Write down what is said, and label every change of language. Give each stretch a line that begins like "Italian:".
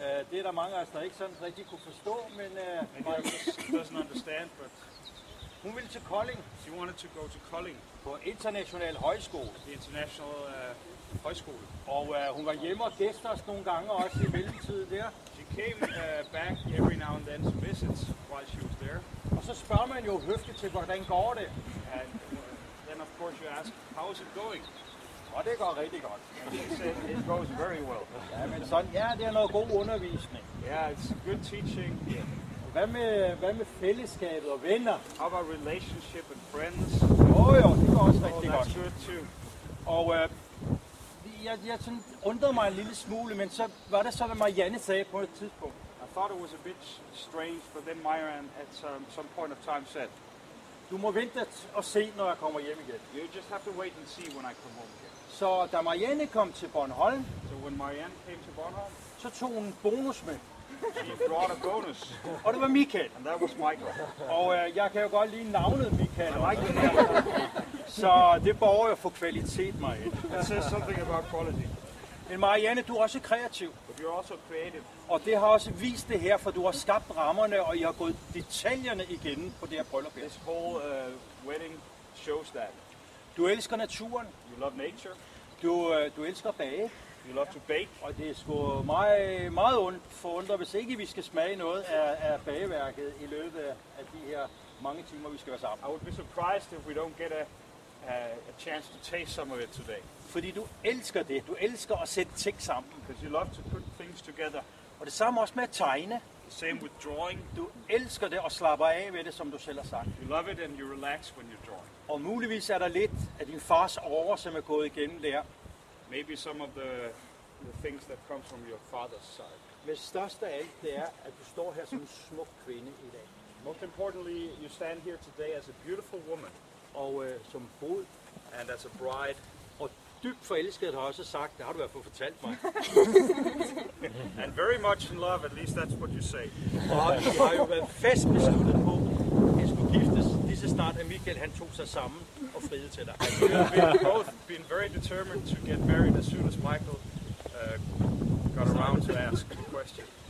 Danish: Det er der mange af os, der ikke sådan rigtig kunne forstå, men
English: doesn't understand, but
Danish: hun ville til Kolding.
English: She wanted to go to Kolding.
Danish: På international højskole.
English: The international højskole.
Danish: Og hun var hjemme og gæstede os nogle gange også i mellemtiden der.
English: She came back every now and then to visit while she was there.
Danish: Og så spørger man jo høfligt til, hvordan går det?
English: And then of course you ask, how is it going?
Danish: Og det går rigtig godt.
English: And she said, it goes very well.
Danish: Ja, men sådan, ja, det er noget god undervisning.
English: Yeah, it's good teaching.
Danish: Hvad med fællesskabet og venner?
English: How about relationship and friends?
Danish: Jo, det går også rigtig godt.
English: That's good too.
Danish: Og jeg undrede mig en lille smule, men så var det så, hvad Marianne sagde på et tidspunkt.
English: I thought it was a bit strange, but then Myron at some point of time said,
Danish: du må vente og se, når jeg kommer hjem igen.
English: You just have to wait and see when I come home again.
Danish: Så da Marianne kom til Bornholm,
English: so when Marianne came to Bornholm,
Danish: så tog hun en bonus med.
English: She brought a bonus.
Danish: Og det var Michael.
English: And that was Michael.
Danish: Og jeg kan jo godt lide navnet Michael.
English: I like the name.
Danish: Så det borger jo for kvalitet, Marianne.
English: It says something about quality.
Danish: Men Marianne, du er også kreativ.
English: But you're also creative.
Danish: Og det har også vist det her, for du har skabt rammerne, og I har gået detaljerne igennem på det her bryllup.
English: This whole wedding shows that.
Danish: Du elsker naturen.
English: You love nature.
Danish: Du elsker at bage.
English: You love to bake.
Danish: Og det er sgu meget, meget ondt forundre, hvis ikke vi skal smage noget af bageværket i løbet af de her mange timer, vi skal være sammen.
English: I would be surprised if we don't get a chance to taste some of it today.
Danish: Fordi du elsker det. Du elsker at sætte ting sammen.
English: Because you love to put things together.
Danish: Og det samme også med at tegne.
English: The same with drawing.
Danish: Du elsker det og slapper af ved det, som du selv har sagt.
English: You love it and you relax when you draw.
Danish: Og muligvis er der lidt af din fars åre, som er gået igennem der.
English: Maybe some of the things that come from your father's side.
Danish: Men størst af alt, det er, at du står her som en smuk kvinde i dag.
English: Most importantly, you stand here today as a beautiful woman.
Danish: Og som brud.
English: And as a bride.
Danish: Dybt forelsket har også sagt, det har du i hvert fald fortalt mig.
English: And very much in love, at least that's what you say.
Danish: Og vi har jo været fast besluttet på, at vi skulle giftes lige så snart, at Michael han tog sig sammen og friede til dig.
English: We have both been very determined to get married as soon as Michael got around to ask the question.